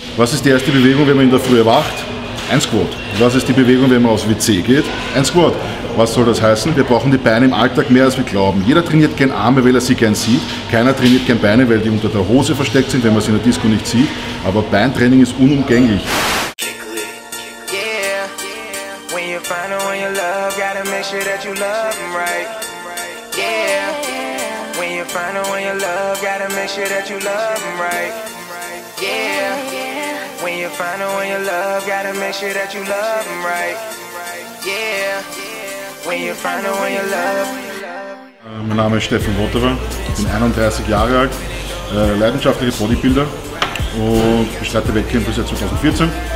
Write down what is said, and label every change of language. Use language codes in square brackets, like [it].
[de] Was ist die erste Bewegung, wenn man in der Früh erwacht? Ein Squat. Was ist die Bewegung, wenn man aus WC geht? Ein Squat. Was soll das heißen? Wir brauchen die Beine im Alltag mehr als wir glauben. Jeder trainiert gern Arme, weil er sie gern sieht. Keiner trainiert gern Beine, weil die unter der Hose versteckt sind, wenn man sie in der Disco nicht sieht. Aber Beintraining ist unumgänglich. [en] When you find the one you love, gotta make sure that you love them right. Yeah, when you find the one you love. [de] Mein Name ist Steffen Wotterer, bin 31 Jahre alt, leidenschaftlicher Bodybuilder und bestreite Wettkämpfe seit 2014.